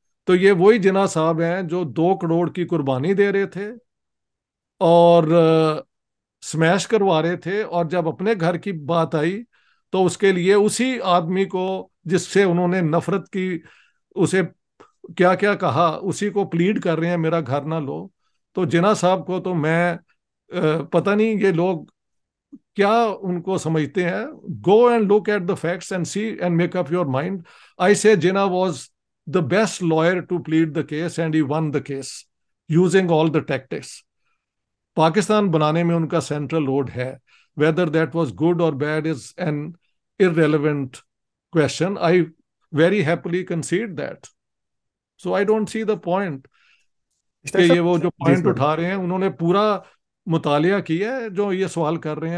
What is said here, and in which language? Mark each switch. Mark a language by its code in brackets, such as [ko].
[ur] تو یہ وہی جناح صاحب ہیں جو 2 کروڑ کی قربانی دے رہے تھے اور سمیش کروا رہے تھے، اور جب اپنے گھر کی بات آئی تو اس کے لیے اسی آدمی کو جس سے انہوں نے نفرت کی، اسے کیا کیا کہا، اسی کو پلیڈ کر رہے ہیں میرا گھر نہ لو. تو جناح صاحب کو تو میں پتہ نہیں یہ لوگ کیا ان کو سمجھتے ہیں. [en] Go and look at the facts and see and make up your mind. I say Jinnah was the best lawyer to plead the case and he won the case using all the tactics. [ur] Pakistan بنانے میں ان کا سینٹرل رول ہے. [en] Whether that was good or bad is an irrelevant question. I very happily concede that. So I don't see the point [ur] کہ یہ وہ جو point اٹھا رہے ہیں انہوں نے پورا مطالعہ کیا ہے جو یہ سوال کر رہے ہیں.